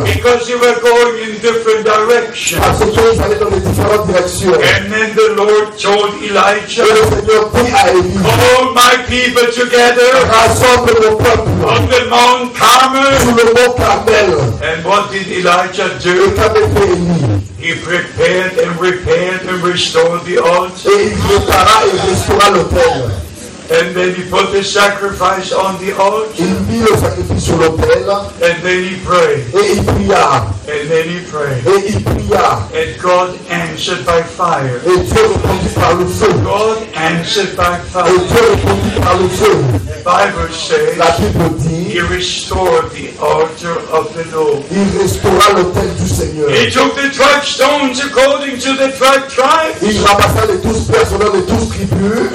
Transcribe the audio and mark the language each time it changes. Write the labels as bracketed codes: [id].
[en] Because you were going in different directions. [fr] Parce que vous allez dans les différentes directions. [en] And then the Lord told Elijah. [fr] Et le Seigneur dit à Élie. [en] Call my people together. [fr] Rassemble mon peuple. [en] On the Mount Carmel. [fr] Sur le Mont Carmel. [en] And what did Elijah do? [fr] Et qu'avait fait Élie? [en] He prepared and repaired and restored the altar. [fr] Et il prépara et restaura l'autel. [en] And then he put the sacrifice on the altar. [fr] Il mit le sacrifice sur l'autel. [en] And then he prayed. [fr] Et il pria. [en] And then he prayed. [fr] Et il pria. [en] And God answered by fire. [fr] Et Dieu répondit par le feu. [en] God answered by fire. [fr] Et Dieu répondit par le feu. [en] The Bible says. [fr] La Bible dit. [en] He restored the altar of the Lord. [fr] Il restaura l'autel du Seigneur. [en] He took the 12 stones according to the 12 tribes. [fr] Il rapassa les 12 pierres selon les 12 tribus.